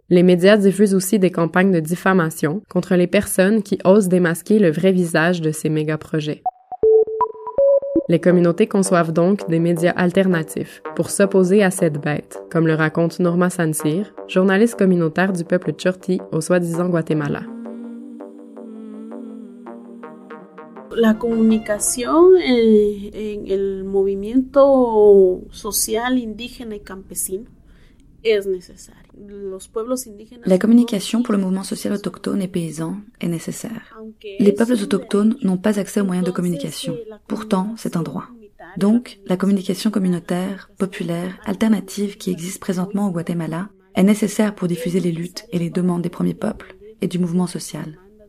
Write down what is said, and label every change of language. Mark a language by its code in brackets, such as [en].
[fr] Les médias diffusent aussi des campagnes de diffamation contre les personnes qui osent démasquer le vrai visage de ces méga-projets. Les communautés conçoivent donc des médias alternatifs pour s'opposer à cette bête, comme le raconte Norma Sansir, journaliste communautaire du peuple Tchorti au soi-disant Guatemala. [es] La communication en el movimiento social indígena y campesino es necesaria. [fr] La communication pour le mouvement social autochtone et paysan est nécessaire. Les peuples autochtones n'ont pas accès aux moyens de communication. Pourtant, c'est un droit. Donc, la communication communautaire, populaire, alternative qui existe présentement au Guatemala est nécessaire pour diffuser les luttes et les demandes des premiers peuples et du mouvement social.